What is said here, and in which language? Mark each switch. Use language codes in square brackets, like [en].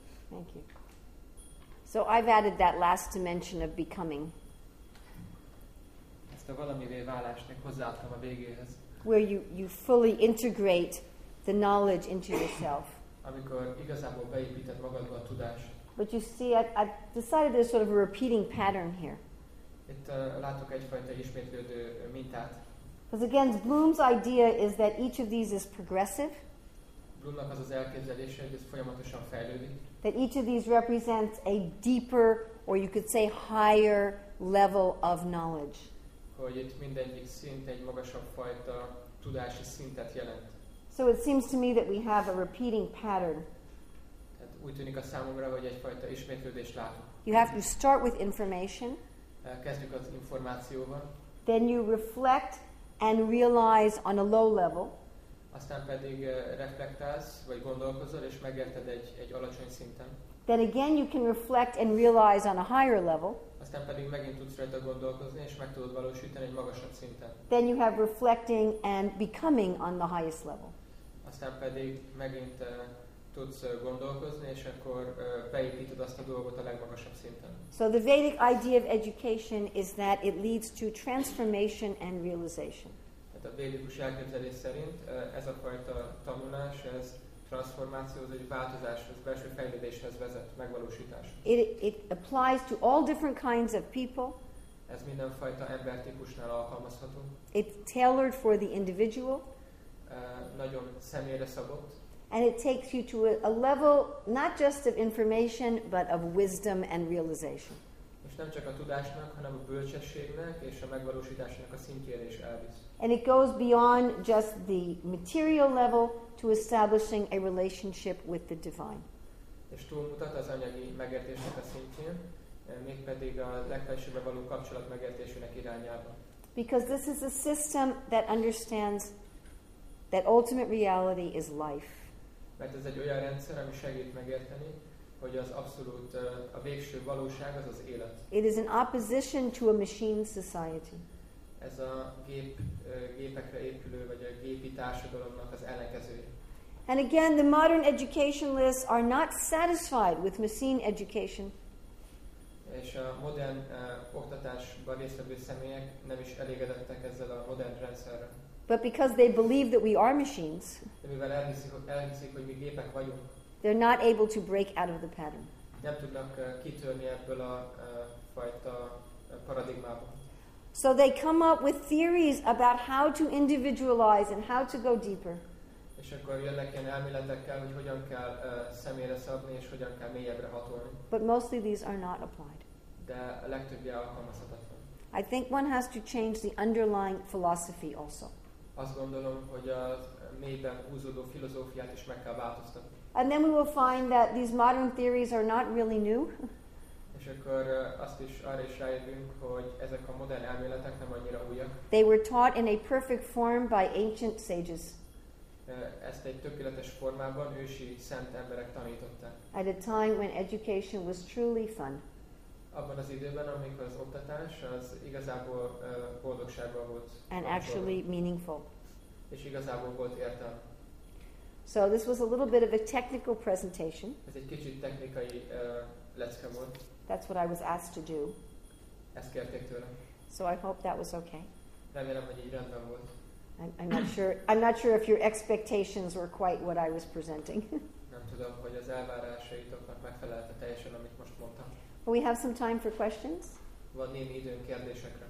[en] Thank you. So I've added that last dimension of becoming. [hu] Ezt a valamivé válásnak hozzáadtam a végéhez. [en] Where you fully integrate the knowledge into yourself. [hu] Amikor igazából beépíted magadba a tudást. [en] But you see, I decided there's sort of a repeating pattern here. [hu] Itt látok egyfajta ismétlődő mintát. [en] Because again, Bloom's idea is that each of these is progressive. [hu] Bloomnak az az elképzelése, hogy ez folyamatosan fejlődik. [en] That each of these represents a deeper, or you could say, higher level of knowledge. [hu] Hogy itt mindegyik szint egy magasabb fajta tudási szintet jelent. [en] So it seems to me that we have a repeating pattern. [hu] Tehát úgy tűnik a számomra, hogy egyfajta ismétlődés látunk. [en] You have to start with information. [hu] Kezdjük az információval. [en] Then you reflect and realize on a low level. [hu] Aztán pedig reflektálsz, vagy gondolkozol, és megérted egy alacsony szinten. [en] Then again you can reflect and realize on a higher level. [hu] Aztán pedig megint tudsz rajta gondolkozni, és meg tudod valósítani egy magasabb szinten. [en] Then you have reflecting and becoming on the highest level. [hu] Aztán pedig megint tudsz gondolkozni, és akkor beépíted azt a dolgot a legmagasabb szinten. [en] So the Vedic idea of education is that it leads to transformation and realization. [hu] Tehát a védikus elképzelés szerint ez a fajta tanulás, ez transformációhoz, egy változáshoz, belső fejlődéshez vezet, megvalósításhoz. [en] It applies to all different kinds of people. [hu] Ez mindenfajta embertípusnál alkalmazható. [en] It's tailored for the individual. [hu] Nagyon személyre szabott. [en] And it takes you to a level not just of information, but of wisdom and realization. [hu] És nem csak a tudásnak, hanem a bölcsességnek és a megvalósításnak a szintjére is elvisz. [en] And it goes beyond just the material level to establishing a relationship with the divine. [hu] És túlmutat az anyagi megértésnek a szintjén, mégpedig a legfelsőbbre való kapcsolat megértésének irányába. [en] Because this is a system that understands that ultimate reality is life. [hu] Mert ez egy olyan rendszer, ami segít megérteni, hogy az abszolút, a végső valóság az az élet. [en] It is in opposition to a machine society. [hu] Ez a gépekre épülő, vagy a gépi társadalomnak az ellenkezője. [en] And again, the modern educationalists are not satisfied with machine education. [hu] És a modern oktatásban résztvevő személyek nem is elégedettek ezzel a modern rendszerrel. [en] But because they believe that we are machines, [hu] elhiszik, hogy mi gépek vagyunk, [en] they're not able to break out of the pattern. [hu] Nem tudnak kitörni ebből a fajta paradigmából. [en] So they come up with theories about how to individualize and how to go deeper. [hu] És akkor jönnek ilyen elméletekkel, hogy hogyan kell személyre szabni és hogyan kell mélyebbre hatolni. [en] But mostly these are not applied. [hu] De a legtöbbje alkalmazhatatlan. [en] I think one has to change the underlying philosophy also. [hu] Azt gondolom, hogy a mélyben húzódó filozófiát is meg kell változtatni. [en] And then we will find that these modern theories are not really new. [hu] És akkor azt is arra is rájövünk, hogy ezek a modern elméletek nem annyira újak. [en] They were taught in a perfect form by ancient sages. [hu] Ezt egy tökéletes formában ősi szent emberek tanították. [en] At a time when education was truly fun. [hu] Abban az időben, amikor az oktatás az igazából boldogságban volt. [en] And actually meaningful. [hu] És igazából volt értelme. [en] So this was a little bit of a technical presentation. [hu] Ez egy kicsit technikai lecke volt. [en] That's what I was asked to do. [hu] Ezt kérték tőlem. [en] So I hope that was okay. [hu] Remélem, hogy így rendben volt. [en] I'm not sure if your expectations were quite what I was presenting. [hu] Nem tudom, hogy az elvárásaitoknak megfelelte teljesen, amit most mondtam. [en] We have some time for questions. [hu] Van némi időnk kérdésekre.